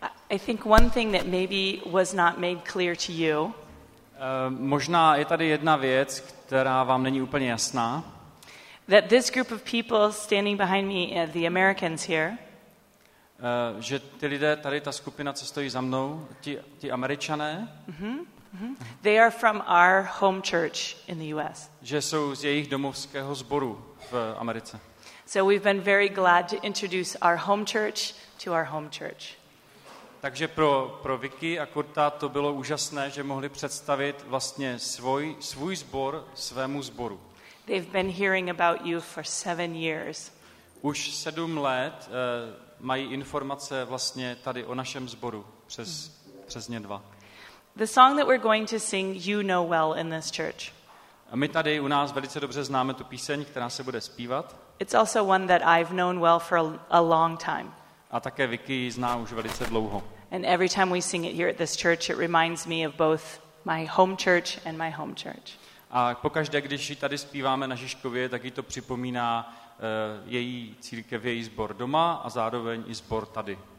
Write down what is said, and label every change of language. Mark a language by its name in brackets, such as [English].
[English] I think one thing that maybe was not made clear to you. [Czech] Možná je tady jedna věc, která vám není úplně jasná. [English] That this group of people standing behind me, the Americans here. [Czech] Že ty lidé tady, ta skupina, co stojí za mnou, ti Američané. [English] They are from our home church in the US. [Czech] Že jsou z jejich domovského sboru v Americe. [English] So we've been very glad to introduce our home church to our home church. [Czech] Takže pro Vicky a Kurta to bylo úžasné, že mohli představit vlastně svůj sbor svému sboru. [English] They've been hearing about you for 7 years. [Czech] Už 7 let mají informace vlastně tady o našem sboru přes ně dva. [English] The song that we're going to sing, you know well in this church. [Czech] A my tady u nás velice dobře známe tu píseň, která se bude zpívat. [English] It's also one that I've known well for a long time. [Czech] A také Vicky ji zná už velice dlouho. [English] And every time we sing it here at this church, it reminds me of both my home church and my home church. [Czech] A pokaždé, když ji tady zpíváme na Žižkově, tak ji to připomíná její církev, její sbor doma a zároveň i sbor tady.